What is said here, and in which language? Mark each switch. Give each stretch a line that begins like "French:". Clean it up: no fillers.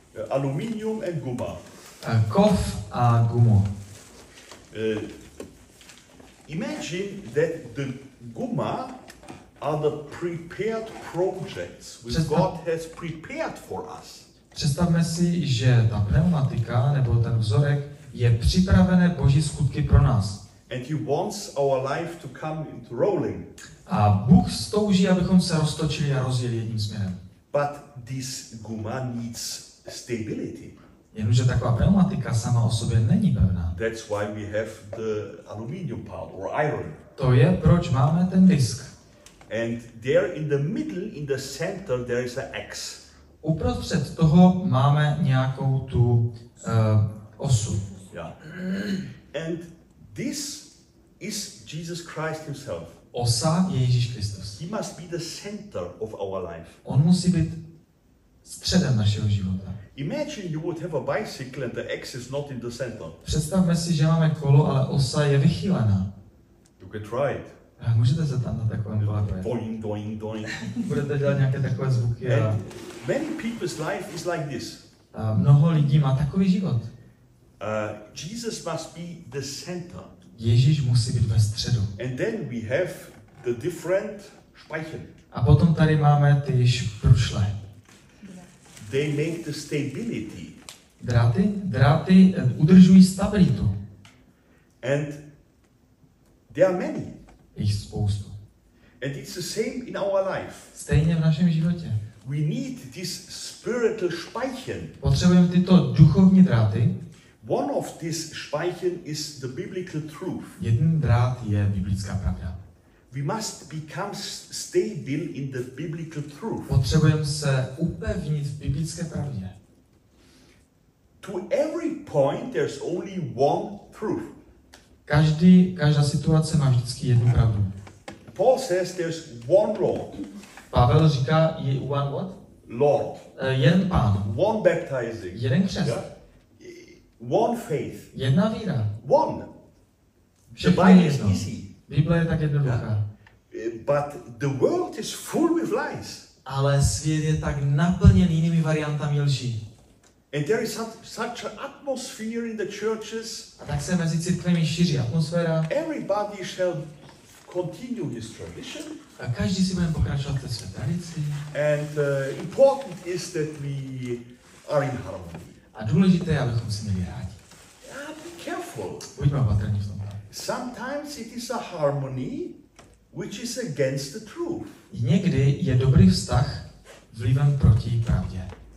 English: Aluminium and guma.
Czech: Kov a gumo.
English: Imagine that the guma are the prepared projects which God has prepared for us.
Czech: Představme si, že ta pneumatika nebo ten vzorek je připravené Boží skutky pro nás.
English: And he wants our life to come into rolling.
Czech: A Bůh touží, abychom se roztočili a rozjeli jedním směrem.
English: But this guma needs stability.
Czech: Jenomže taková pneumatika sama o sobě není pevná.
English: That's why we have the aluminium part or iron.
Czech: To je proč máme ten disk.
English: And there in the middle, in the center, there is an X.
Czech: Uprostřed toho máme nějakou tu osu.
English: Yeah. And this is Jesus Christ himself.
Czech: Osa je Ježíš Kristus.
English: He must be the center of our life.
Czech: On musí být středem našeho života.
English: Imagine you would have a bicycle and the X is not in the center.
Czech: Představme si, že máme kolo, ale osa je vychýlená.
English: You can try it.
Czech: Můžete se tam na takovém kole projet. Budete dělat nějaké takové zvuky. A
English: many people's life is like this.
Czech: Mnoho lidí má takový život.
English: Jesus must be the center.
Czech: Ježíš musí být ve středu.
English: And then we have the different speichen.
Czech: A potom tady máme ty šprušle.
English: They make the stability.
Czech: Dráty udržují stabilitu.
English: And there are many.
Czech: Jich spoustu.
English: And it's the same in our life.
Czech: Stejně v našem životě.
English: We need this spiritual speichen.
Czech: Potřebujeme tyto duchovní dráty.
English: One of these speichen is the biblical truth.
Czech: Jeden drát je biblická pravda.
English: We must become stable in the biblical truth.
Czech: Potřebujeme se upevnit v biblické pravdě.
English: To every point there's only one truth.
Czech: Každá situace má vždycky jednu pravdu.
English: Paul says there's one Lord.
Czech: Pavel říká je
English: one what? Lord.
Czech: Jeden pán.
English: One baptizing.
Czech: Jeden křest. Yeah.
English: One faith.
Czech: Jedna víra.
English: One.
Czech: Všechno je jedno. Bible je tak jednoduchá. Yeah.
English: But the world is full with lies.
Czech: Ale svět je tak naplněn jinými variantami lží.
English: And there is such an atmosphere in the churches.
Czech: A tak se mezi církvemi šíří atmosféra.
English: Everybody shall continue his tradition.
Czech: A každý si bude pokračovat ve své tradici.
English: And important is that we are in harmony.
Czech: A důležité je, abychom si měli rádi.
English: careful.
Czech: Buďme opatrní v tom.
English: Sometimes it is a harmony which is against the truth.
Czech: Někdy je dobrý vztah vlivem proti pravdě.